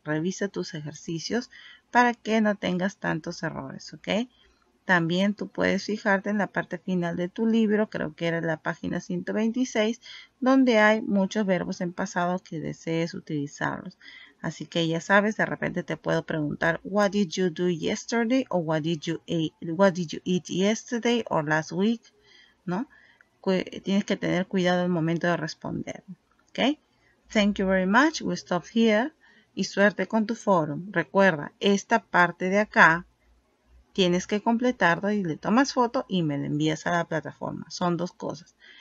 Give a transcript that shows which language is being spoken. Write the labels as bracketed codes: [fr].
[es] Revisa tus ejercicios para que no tengas tantos errores, ¿ok? También tú puedes fijarte en la parte final de tu libro, creo que era la página 126, donde hay muchos verbos en pasado que desees utilizarlos. Así que ya sabes, de repente te puedo preguntar, [en] what did you do yesterday? O what did you eat yesterday or last week? [es] ¿No? Tienes que tener cuidado al momento de responder. [en] Okay. Thank you very much. We stop here. [es] Y suerte con tu foro. Recuerda, esta parte de acá tienes que completarlo y le tomas foto y me la envías a la plataforma. Son dos cosas.